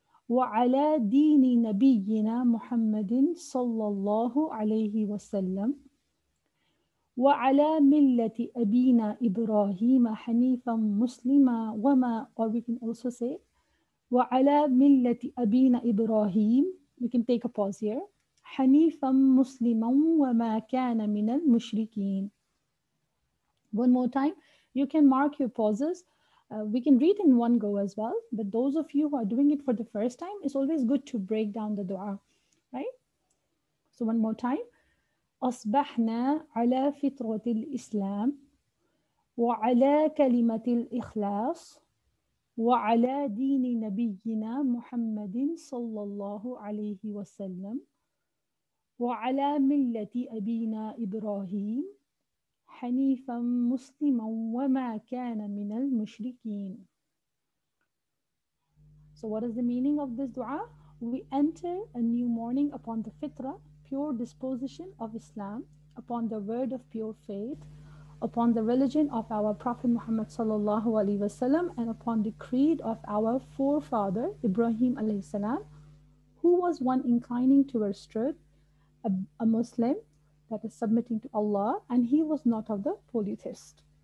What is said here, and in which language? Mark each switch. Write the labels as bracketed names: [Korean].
[Arabic] وعلى دين نبينا محمد صلى الله عليه وسلم. وعلى ملة أبينا إبراهيم حنيفا مسلما وما. [English] Or we can also say [Arabic] وعلى ملة أبينا إبراهيم. [English] We can take a pause here. [Arabic] حَنِيفًا مُسْلِمًا وَمَا كَانَ مِنَ الْمُشْرِكِينَ. [English] One more time. You can mark your pauses. We can read in one go as well. But those of you who are doing it for the first time, it's always good to break down the dua. Right? So one more time. [Arabic] أَصْبَحْنَا عَلَى فِطْرَةِ الْإِسْلَامِ وَعَلَى كَلِمَةِ الْإِخْلَاصِ وَعَلَى دِينِ نَبِيِّنَا مُحَمَّدٍ صَلَّى اللَّهُ عَلَيْهِ وَسَلَّمَ وعلى ملة أبينا إبراهيم حنيفا مسلما وما كان من المشركين. [English] So what is the meaning of this dua? We enter a new morning upon the fitra, pure disposition of Islam, upon the word of pure faith, upon the religion of our Prophet Muhammad sallallahu alaihi wasallam, and upon the creed of our forefather Ibrahim alaihi salam, who was one inclining towards truth, a Muslim that is submitting to Allah, and he was not of the polytheist.